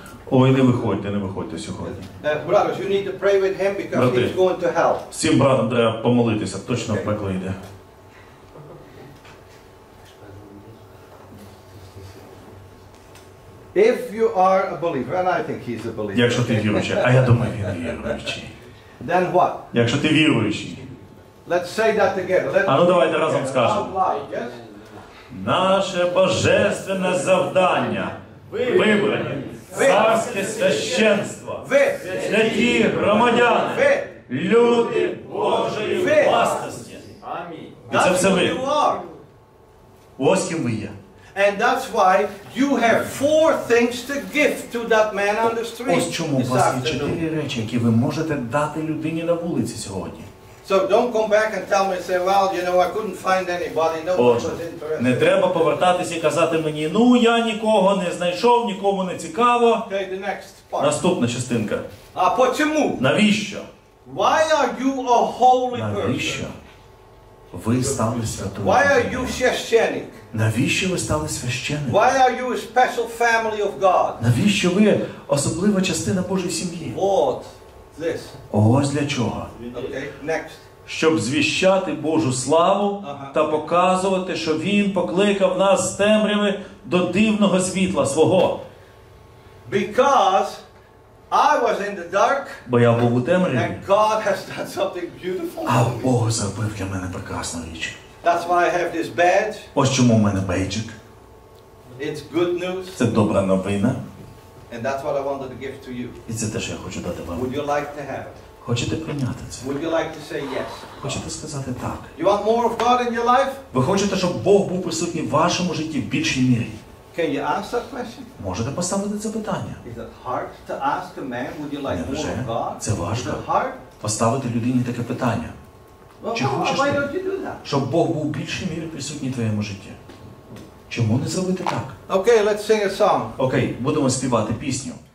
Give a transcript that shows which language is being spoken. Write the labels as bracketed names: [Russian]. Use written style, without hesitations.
[Ukrainian] Ой, не виходьте сьогодні. [English] Brothers, you need to pray with him because he's going to hell. [Ukrainian] Всім братам треба помолитися, точно в пекло йде. [English] If you are a believer, and I think he's a believer. [Ukrainian] Якщо ти віруючий, а я думаю, він віруючий. [English] Then what? [Ukrainian] Якщо ти віруючий. [English] Let's say that together. Let's. [Ukrainian] А ну давайте разом скажемо. [English] Yes? [Ukrainian] Наше божественне завдання вибрані царське священство. Ви святі громадяни. Ви люди Божої власності. Амінь. І це все ви. Ось ким ви є. [English] And that's why you have four things to give to that man on the street. [Ukrainian] Ось чому у вас є чотири речі, які ви можете дати людині на вулиці сьогодні. [English] So don't come back and tell me, say, well, you know, I couldn't find anybody. No, was interested. [Ukrainian] Не треба повертатися і казати мені, ну, я нікого не знайшов, нікому не цікаво. [English] Okay, the next part. [Ukrainian] Наступна частинка. [Russian] А почему? [Ukrainian] Навіщо? [English] Why are you a holy person? [Ukrainian] Навіщо? Ви стали святою. [English] Why are you священник? [Ukrainian] Навіщо ви стали священником? [English] Why are you a special family of God? [Ukrainian] Навіщо ви особлива частина Божої сім'ї? [English] От. This. [Ukrainian] Ось для чого. [English] Okay. Next. [Ukrainian] Щоб звіщати Божу славу та показувати, що Він покликав нас з темряви до дивного світла свого. [English] Because I was in the dark. [Ukrainian] Бо я був у темряві. [English] And God has done something beautiful. [Ukrainian] А Бог зробив для мене прекрасну річ. [English] That's why I have this badge. [Ukrainian] Ось чому у мене бейджик. [English] It's good news. [Ukrainian] Це добра новина. [English] And that's what I wanted to give to you. [Ukrainian] І це те, що я хочу дати вам. [English] Would you like to have it? [Ukrainian] Хочете прийняти це? [English] Would you like to say yes? [Ukrainian] Хочете сказати так? [English] You want more of God in your life? [Ukrainian] Ви хочете, щоб Бог був присутній в вашому житті в більшій мірі? [English] Can you ask that question? [Ukrainian] Можете поставити це питання? [English] Is it hard to ask a man, would you like more of God? [Ukrainian] Це важко. [English] Is it hard? [Ukrainian] Поставити людині таке питання. Well, чи хочеш ти, щоб Бог був в більшій мірі присутній в твоєму житті? Чому не зробити так? [English] Okay, let's sing a song. [Ukrainian] Okay, будемо співати пісню.